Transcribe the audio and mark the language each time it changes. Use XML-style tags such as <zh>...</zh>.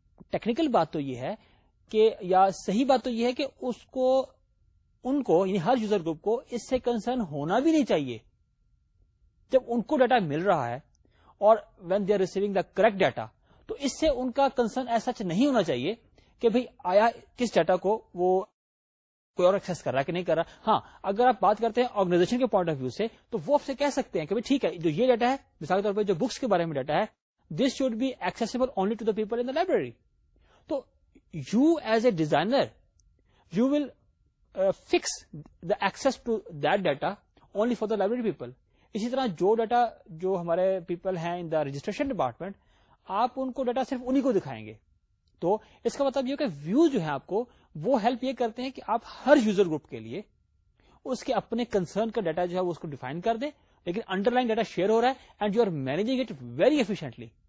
<ur>Technical بات تو یہ ہے کہ یا صحیح بات تو یہ ہے کہ اس کو ان کو یعنی ہر یوزر گروپ کو اس سے کنسرن ہونا بھی نہیں چاہیے جب ان کو ڈیٹا مل رہا ہے اور</ur> <en>when they are receiving the correct data,</en> <ur>تو اس سے ان کا کنسرن ایسا نہیں ہونا چاہیے کہ بھئی آیا کس ڈیٹا کو وہ کوئی اور ایکسس کر رہا ہے کہ نہیں کر رہا. ہاں اگر آپ بات کرتے ہیں آرگنائزیشن کے پوائنٹ آف ویو سے تو وہ آپ سے کہہ سکتے ہیں کہ بھئی ٹھیک ہے جو یہ ڈیٹا ہے مثال کے طور پہ جو بکس کے بارے میں ڈیٹا ہے</ur> <en>This should be accessible only to the people in the library. تو you as a designer you will fix the access to that data only for the library people.</en> <ur>اسی طرح جو ڈیٹا جو ہمارے پیپل ہیں</ur> <en>in the registration department</en> <ur>آپ ان کو data صرف انہیں کو دکھائیں گے. تو اس کا مطلب یہ کہ ویو جو ہے آپ کو وہ ہیلپ یہ کرتے ہیں کہ آپ ہر یوزر گروپ کے لیے اس کے اپنے کنسرن کا ڈیٹا جو ہے وہ اس کو ڈیفائن کر دیں لیکن انڈر لائن ڈیٹا شیئر ہو رہا ہے</ur> <en>And you are managing it very efficiently.</en>